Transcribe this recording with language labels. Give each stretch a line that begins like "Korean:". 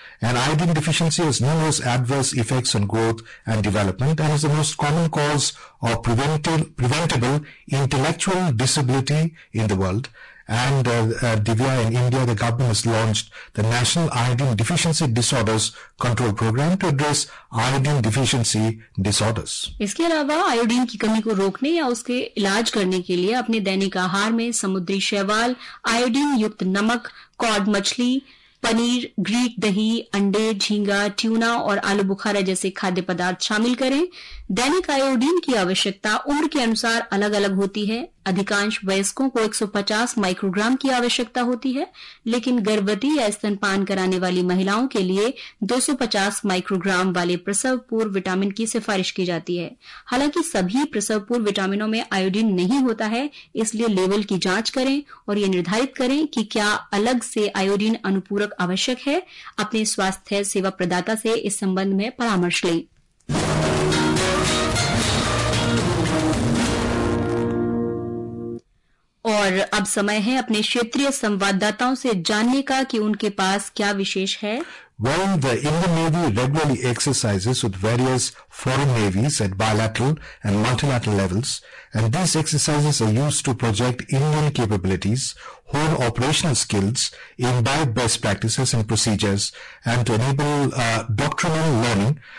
English: And iodine deficiency has numerous adverse effects on growth and development and is the most common cause of preventable intellectual disability in the world. And Divya, in India, the government has launched the National Iodine Deficiency Disorders Control Program to address iodine deficiency disorders.
Hindi: इसके अलावा iodine की कमी को रोकने या उसके इलाज करने के लिए अपने दैनिक आहार में समुद्री शैवाल, आयोडीन युक्त नमक, कॉड मछली, पनीर, ग्रीक दही, अंडे, झींगा, ट्यूना और आलू बुखारा जैसे खाद्य पदार्थ शामिल करें। दैनिक आयोडीन की आवश्यकता उम्र के अनुसार अलग अलग होती है। अधिकांश वयस्कों को 150 माइक्रोग्राम की आवश्यकता होती है, लेकिन गर्भवती या स्तनपान कराने वाली महिलाओं के लिए 250 माइक्रोग्राम वाले प्रसव पूर्व विटामिन की सिफारिश की जाती है। हालांकि सभी प्रसव पूर्व विटामिनों में आयोडीन नहीं होता है, इसलिए लेवल की जांच करें और ये निर्धारित करें कि क्या अलग से आयोडीन अनुपूरक आवश्यक है। अपने स्वास्थ्य सेवा प्रदाता से इस संबंध में परामर्श लें। और अब समय है अपने क्षेत्रीय संवाददाताओं से जानने का कि उनके पास क्या विशेष है।
English: Well, the Indian Navy regularly exercises with various foreign navies at bilateral and multilateral levels, and these exercises are used to project Indian capabilities, hone operational skills, imbibe best practices and procedures, and to enable doctrinal learning.